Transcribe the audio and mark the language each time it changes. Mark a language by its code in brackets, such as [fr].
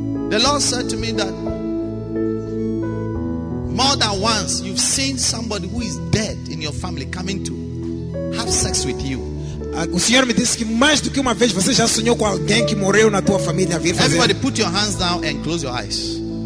[en] The Lord said to me that more than once you've seen somebody who is dead in your family coming to have sex with you. [pt] O Senhor me disse que mais do que uma vez você já sonhou com alguém que morreu na tua família a vir fazer. [en] Everybody put your hands down and close your eyes.